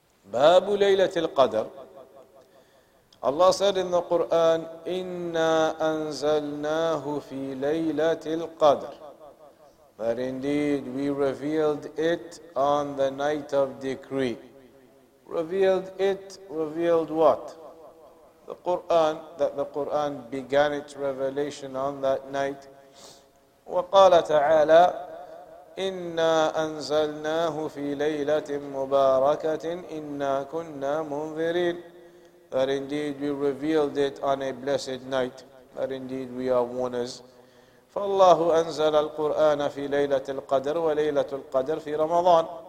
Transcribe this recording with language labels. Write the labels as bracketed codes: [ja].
[en] Babu Laylatul Qadr. Allah said in the Quran, [ar] Inna anzalnahu fi Laylatul Qadr. [en] That indeed we revealed it on the night of decree. Revealed it, revealed what? The Quran, that the Quran began its revelation on that night. [ar] وقال تعالى إنا أنزلناه في ليلة مباركة إنا كنا منذرين. [en] That indeed we revealed it on a blessed night. That indeed we are warners. [ar] فالله أنزل القرآن في ليلة القدر وليلة القدر في رمضان.